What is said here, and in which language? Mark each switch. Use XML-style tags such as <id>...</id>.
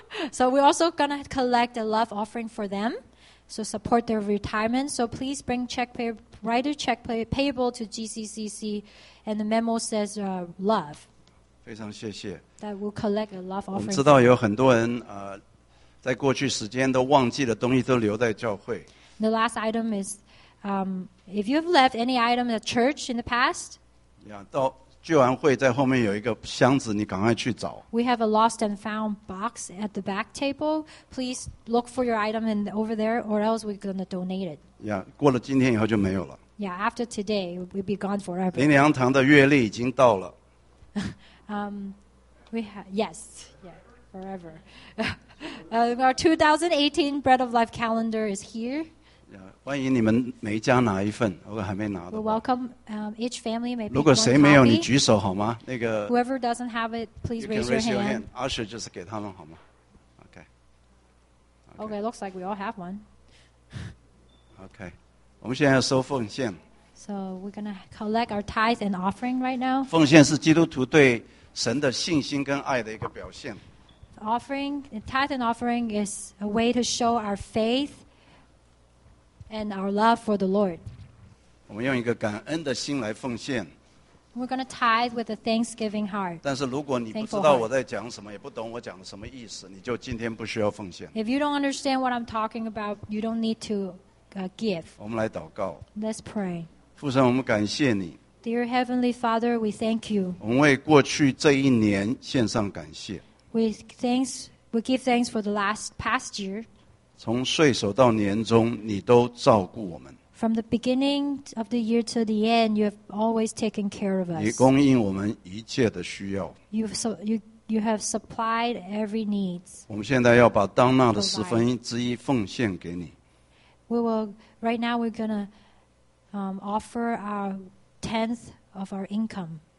<en>So we're also going to collect a love offering for them, so support their retirement. So please bring check pay, write a check pay, payable to GCCC, and the memo says love.</en> <zh>非常谢谢。</zh> <en>That will collect a love offering.</en> <zh>我们知道有很多人在过去时间都忘记的东西都留在教会。</zh> <en>The last item is, if you have left any item at church in the past.</en> <zh>Yeah, 到聚完会在后面有一个箱子，你赶快去找。</zh> <en>We have a lost and found box at the back table. Please look for your item in the, over there, or else we're going to donate it.</en> <zh>Yeah, 过了今天以后就没有了。</zh> <en>Yeah, after today, we'll be gone forever.</en> <zh>林良堂的月历已经到了。</zh> <en>Forever. our 2018 Bread of Life calendar is here.</en> <zh>Yeah, 欢迎你们每一家拿一份，如果还没拿的。</zh> <en>We welcome each family. Maybe</en> <zh>如果谁没有，你举手好吗？那个。</zh> <en>Whoever doesn't have it, please raise your hand. Usher</en> <zh>就是给他们好吗</zh> <en>？Okay. Okay, looks like we all have one.</en> <zh>Okay, 我们现在要收奉献。</zh> <en>So we're gonna collect our tithes and offering right now.</en> <zh>奉献是基督徒对神的信心跟爱的一个表现。</zh> <en>Offering, tithe and offering is a way to show our faith and our love for the Lord. We're going to tithe with a thanksgiving heart. Heart. If you don't understand what I'm talking about, you don't need to give. Let's pray.</en> <zh>父神，我们感谢你。</zh> <en>Dear Heavenly Father, we thank you.</en> <zh>我们为过去这一年献上感谢。</zh> <en>We give thanks for the last past year.</en> <zh>从岁首到年终，你都照顾我们。</zh> <en>From the beginning of the year to the end, you have always taken care of us.</en> <zh>你供应我们一切的需要。</zh> <en>You have supplied every needs.</en> <zh>我们现在要把当纳的十分之一奉献给你。</zh> <en>We will right now. We're gonna offer our tenth of our income.</en>